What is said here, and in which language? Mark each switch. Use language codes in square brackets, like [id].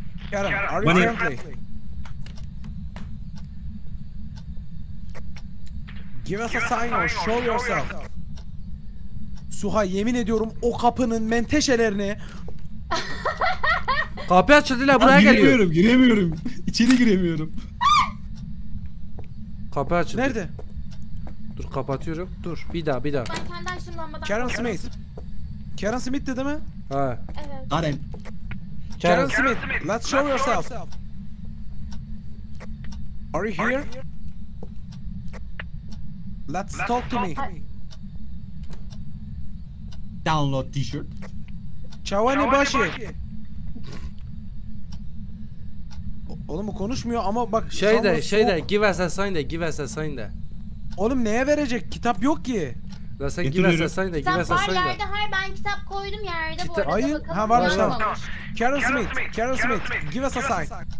[en] Karen, are you bana friendly? Give us a sign or show yourself. [tr] Suha yemin ediyorum o kapının menteşelerini. Kapı açıldı la, buraya geliyor. Giremiyorum, giremiyorum. İçeri giremiyorum. Kapı açıldı. Nerede? Dur kapatıyorum. Dur. Bir daha, bir daha. Ben kendi açtım lambadan. Karen Smith. Karen Smith dedi mi? Ha. Evet. Karen. [en] Karen Smith, let's show yourself. Are you here? Let's talk to me. Download t-shirt. Chawani Bashi. [tr] Oğlum bu konuşmuyor ama bak. Şeyde şeyde, [en] give us a sign [tr] de, give us a sign de. Oğlum neye verecek? Kitap yok ki. La sen [en] give us a sign [tr] de, give us a sign de. Kitap var yerde, hayır ben kitap koydum yerde kitap, bu arada ayın, bakalım. Ha varmış tamam. [en] Karen Smith, Karen Smith, give us a sign.